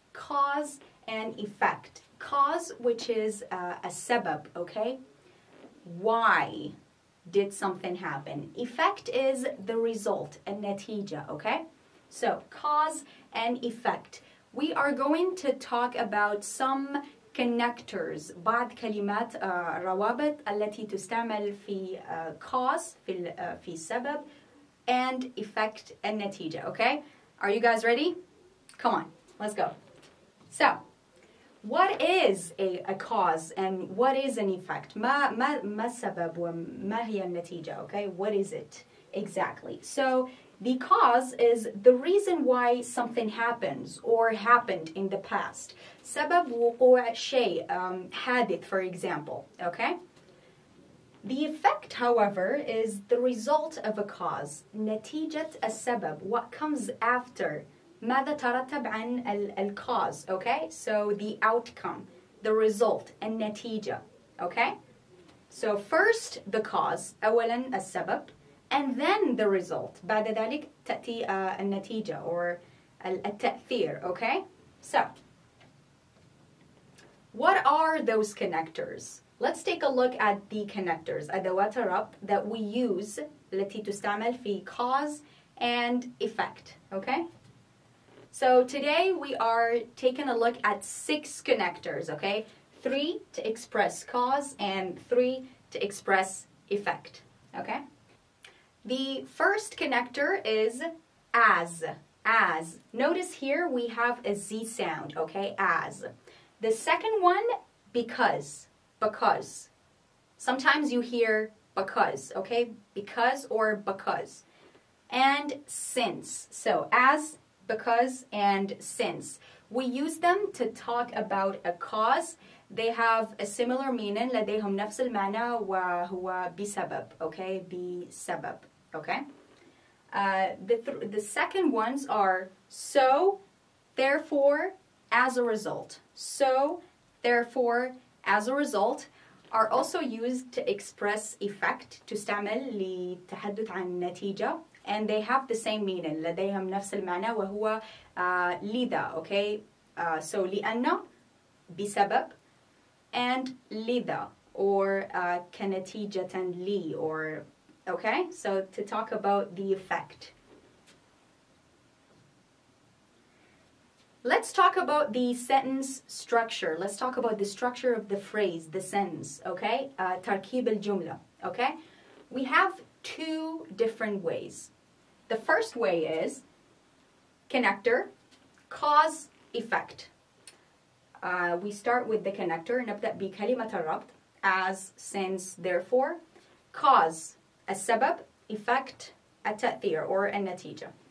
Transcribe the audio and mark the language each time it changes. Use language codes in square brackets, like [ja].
[en] Cause and effect. Cause, which is a sebab, okay? Why did something happen? Effect is the result, a natija, okay? So, cause and effect. We are going to talk about some connectors. [ar] بعض كلمات روابط التي تستعمل في cause, في سبب, [en] and effect, and natija, okay? Are you guys ready? Come on, let's go. So, what is a cause and what is an effect? [ar] ما السبب وما هي النتيجة, okay? [en] What is it exactly? So, the cause is the reason why something happens or happened in the past. [ar] سبب وقوع شيء, حادث, [en] for example, okay? The effect, however, is the result of a cause. [ar] نتيجة السبب, [en] what comes after. [ar] ماذا ترتب عن ال cause, okay? [en] So the outcome, the result, and النتيجة, okay? So first the cause, [ar] أولا السبب, [en] and then the result. [ar] بعد ذلك تأتي النتيجة or التأثير, okay? [en] So what are those connectors? Let's take a look at the connectors, [ar] أدوات الربط [en] that we use [ar] التي تستعمل في [en] cause and effect, okay? So today we are taking a look at six connectors, okay? Three to express cause and three to express effect, okay? The first connector is as. As. Notice here we have a Z sound, okay? As. The second one, because. Because. Sometimes you hear because, okay? Because or because. And since. So as, because, and since. We use them to talk about a cause. They have a similar meaning. [ar] لديهم نفس المعنى وهو بسبب. Okay? بسبب. Okay? [en] The second ones are so, therefore, as a result. So, therefore, as a result are also used to express effect. [ar] تستعمل لتحدث عن نتيجة. [en] And they have the same meaning. [ar] لديهم نفس المعنى وهو لذا, okay? So, لأن, بسبب, and لذا, or كنتيجة لي, or, okay? [en] So, to talk about the effect. Let's talk about the sentence structure. Let's talk about the structure of the phrase, the sentence, okay? [ar] تركيب الجملة, okay? [en] We have two different ways. The first way is connector, cause, effect. We start with the connector, [ar] نبدأ بكلمة الربط, [en] as, since, therefore, cause, السبب, effect, التأثير, or النتيجة.